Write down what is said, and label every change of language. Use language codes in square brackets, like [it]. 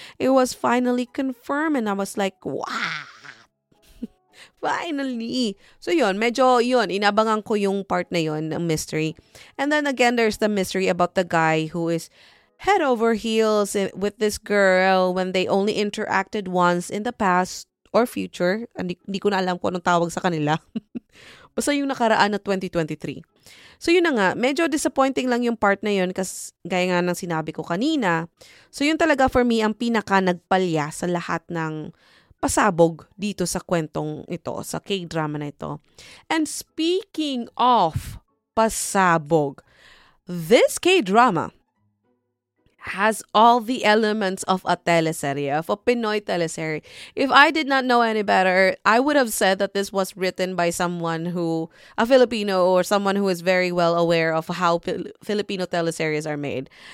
[en] It was finally confirmed and I was like, wow! Finally! [tl] So yun, medyo yun, inabangan ko yung part na yun, ng mystery. [en] And then again, there's the mystery about the guy who is head over heels with this girl when they only interacted once in the past or future. [tl] Hindi ko na alam kung anong tawag sa kanila. Basta yung nakaraan na 2023. So yun na nga, medyo disappointing lang yung part na yun kasi gaya nga ng sinabi ko kanina. So yun talaga for me ang pinaka nagpalya sa lahat ng pasabog dito sa kwentong ito, sa K-drama na ito. [en] And speaking of pasabog, this K-drama has all the elements of a teleserye, of a Pinoy teleserye. If I did not know any better, I would have said that this was written by someone who, a Filipino or someone who is very well aware of how Filipino teleseryes are made.